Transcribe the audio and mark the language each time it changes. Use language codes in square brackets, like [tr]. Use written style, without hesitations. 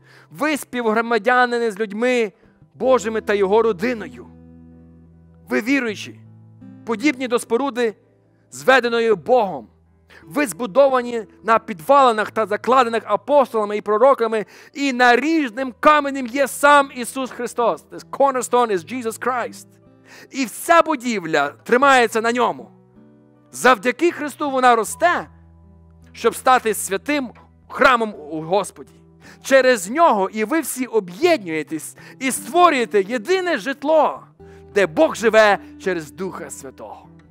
[uk] Ви співгромадянини з людьми Божими та Його родиною. Ви віруючі, подібні до споруди, зведеної Богом. Ви збудовані на підвалинах та закладених апостолами і пророками, і наріжним каменем є сам Ісус Христос. [en] The cornerstone is Jesus Christ. [uk] І вся будівля тримається на ньому. Завдяки Христу вона росте, щоб стати святим храмом у Господі. Через нього і ви всі об'єднуєтесь і створюєте єдине житло, де Бог живе через Духа Святого.